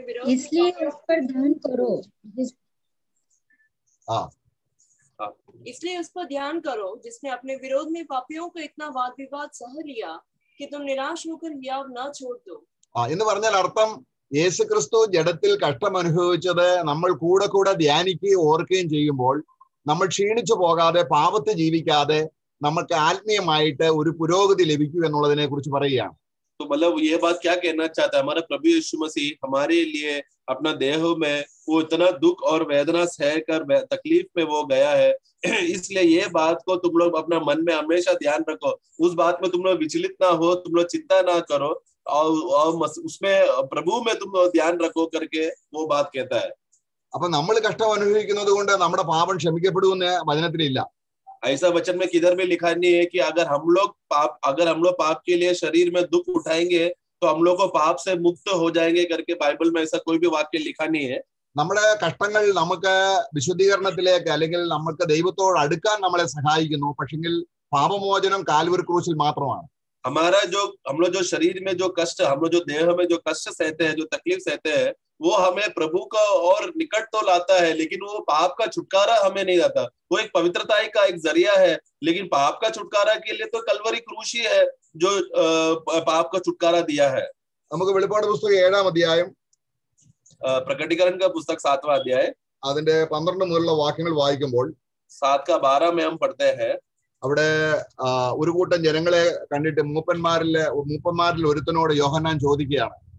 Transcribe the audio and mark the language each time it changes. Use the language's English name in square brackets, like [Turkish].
[Hindi] इसलिए उस पर ध्यान करो जिसने अपने विरोध जिसने अपने विरोध में पापियों को इतना वाद विवाद सह लिया कि तुम निराश होकर याव ना छोड़ दो। [Malayalam] എന്ന് പറഞ്ഞാൽ അർത്ഥം യേശു ക്രിസ്തു ജഡത്തിൽ കഷ്ടം അനുഭവിച്ചത് നമ്മൾ കൂടെ കൂടെ ധ്യാനിക്കുകയും ഓർക്കുകയും ചെയ്യുമ്പോൾ നമ്മൾ ക്ഷീണിച്ചു പോകാതെ പാപത്തെ ജീവിക്കാതെ നമുക്ക് ആത്മീയമായിട്ട് ഒരു പുരോഗതി ലഭിക്കും എന്നുള്ളതിനെ കുറിച്ച് പറയുകയാണ്। [Hindi] तो मतलब ये बात क्या कहना चाहता है, हमारा प्रभु यीशु मसीह हमारे लिए अपना देह में वो इतना दुख और वेदना सह कर तकलीफ में वो गया है, इसलिए ये बात को तुम लोग अपना मन में हमेशा ध्यान रखो, उस बात में तुम लोग विचलित ना हो, तुम लोग चिंता ना करो और उसमें प्रभु में तुम लोग ध्यान रखो करके वो बात कहता है। [Malayalam] अपन നമ്മൾ കഷ്ടം അനുഭവിക്കുന്നതുകൊണ്ട് നമ്മുടെ പാപം ക്ഷമിക്കപ്പെടുന്ന വചനത്തിലില്ല। [Hindi] ऐसा वचन में किधर भी लिखा नहीं है कि अगर हम लोग पाप के लिए शरीर में दुख उठाएंगे तो हम लोग को पाप से मुक्त हो जाएंगे करके बाइबल में ऐसा कोई भी वाक्य लिखा नहीं है। [Malayalam] നമ്മുടെ കഷ്ടങ്ങൾ നമുക്ക് വിശുദ്ധീകരണത്തിലേക്ക് അല്ലെങ്കിൽ നമുക്ക് ദൈവത്തോട് അടുക്കാൻ നമ്മളെ സഹായിക്കുന്നു, പക്ഷേങ്കിൽ പാപമോചനം കാൽവരി ക്രൂശിൽ മാത്രമാണ്। [Hindi] हमारा जो हम लोग जो शरीर में जो कष्ट हम लोग जो देह में जो कष्ट सहते हैं जो तकलीफ सहते हैं वो हमें प्रभु का और निकट तो लाता है लेकिन वो पाप का छुटकारा हमें नहीं देता, वो एक पवित्रता का एक जरिया है लेकिन पाप का छुटकारा के लिए तो कलवरी क्रूश ही है जो पाप का छुटकारा दिया है। [Malayalam] നമുക്ക് വെളിപാട് പുസ്തകം 7:7 [Hindi] പ്രകടീകരണ का പുസ്തക 7:12 [Malayalam] അതിന്റെ 12 മുതലുള്ള വാക്യങ്ങൾ വായിക്കുമ്പോൾ [Hindi] 7:12 में हम पढ़ते हैं, [Malayalam] അവിടെ ഒരു കൂട്ടം ജനങ്ങളെ കണ്ടിട്ട് മൂപ്പന്മാരിൽ ഒരുത്തനോട് യോഹന്നാൻ ചോദിക്കുകയാണ്।